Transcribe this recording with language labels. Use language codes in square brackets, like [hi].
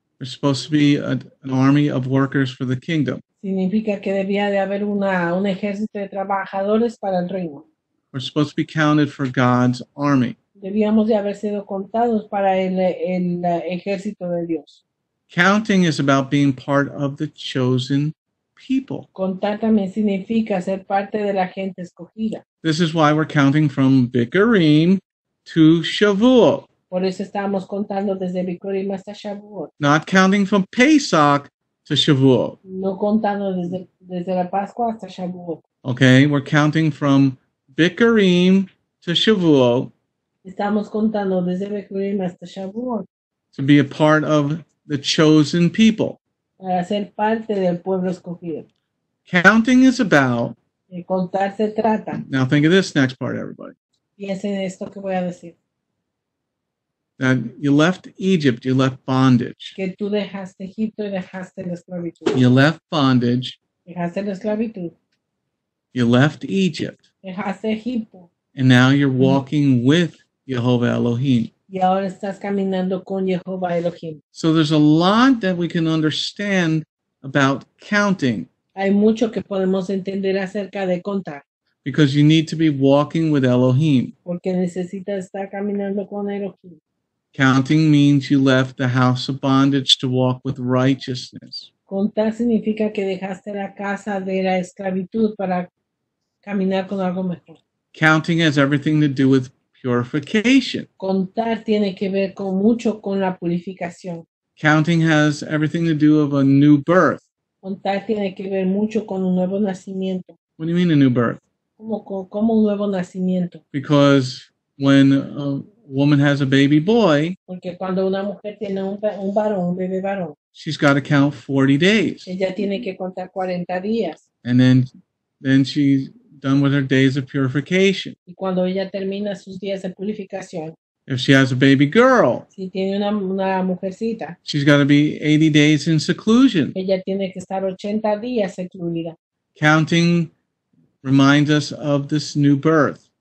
[en] We're supposed to be an army of workers for the kingdom. [es] Significa que debía de haber un ejército de trabajadores para el reino. [en] We're supposed to be counted for God's army. [es] Debíamos de haber sido contados para el ejército de Dios. [en] Counting is about being part of the chosen people. [es] Contar también significa ser parte de la gente escogida. [en] This is why we're counting from Bikurim to Shavuot. [es] Por eso estamos contando desde Bikurim hasta Shavuot. [en] Not counting from Pesach to Shavuot. [es] No contando desde la Pascua hasta Shavuot. [en] Okay, we're counting from Bikurim to Shavuot. [es] Estamos contando desde Bikurim hasta Shavuot. [en] To be a part of the chosen people. [es] Para ser parte del pueblo escogido. [en] Counting is about. [es] De contar se trata. [en] Now think of this next part, everybody. [es] Piensen en esto que voy a decir. [en] That you left Egypt, you left bondage. [es] Que tú dejaste Egipto y dejaste la esclavitud. [en] You left bondage. [es] Dejaste la esclavitud. [en] You left Egypt. [es] Dejaste Egipto. [en] And now you're walking with Yehovah Elohim. [es] Y ahora estás caminando con Jehová Elohim. [en] So there's a lot that we can understand about counting. [es] Hay mucho que podemos entender acerca de contar. [en] Because you need to be walking with Elohim. [es] Porque necesitas estar caminando con Elohim. [en] Counting means you left the house of bondage to walk with righteousness. [es] Contar significa que dejaste la casa de la esclavitud para caminar con algo mejor. [en] Counting has everything to do with purification. [es] Contar tiene que ver con mucho con la purificación. [en] Counting has everything to do of a new birth. [es] Contar tiene que ver mucho con un nuevo nacimiento. [en] What do you mean a new birth? [es] ¿Cómo un nuevo nacimiento? [en] Because when a woman has a baby boy, [es] porque cuando una mujer tiene un varón, un bebé varón, [en] she's got to count 40 days. [es] Ella tiene que contar 40 días. [en] And then she's done with her days of purification. [es] Y cuando ella termina sus días de purificación, [en] if she has a baby girl, [es] si tiene una mujercita, [en] she's got to be 80 days in seclusion. [es] Ella tiene que estar 80 días secluida. [en] Counting reminds us of this new birth.